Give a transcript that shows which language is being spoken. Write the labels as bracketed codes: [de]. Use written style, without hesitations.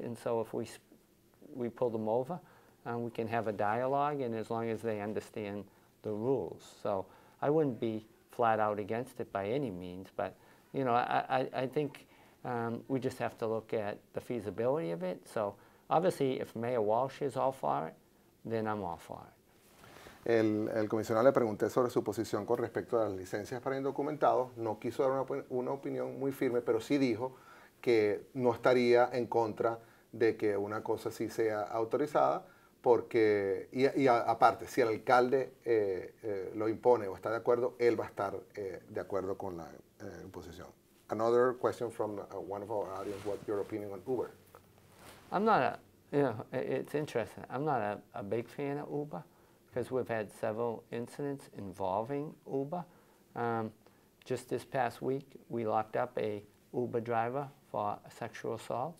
[en] And so if we pull them over, we can have a dialogue, and as long as they understand the rules. So I wouldn't be flat out against it by any means, but, you know, I think we just have to look at the feasibility of it. So obviously, if Mayor Walsh is all for it, then I'm all for it. [es] El comisionado le pregunté sobre su posición con respecto a las licencias para indocumentados. No quiso dar una opinión muy firme, pero sí dijo que no estaría en contra de que una cosa sí sea autorizada, porque, aparte, si el alcalde lo impone o está de acuerdo, él va a estar de acuerdo con la imposición. [en] Another question from one of our audience, what's your opinion on Uber? I'm not a, you know, it's interesting. I'm not a big fan of Uber because we've had several incidents involving Uber. Just this past week, we locked up a Uber driver for a sexual assault.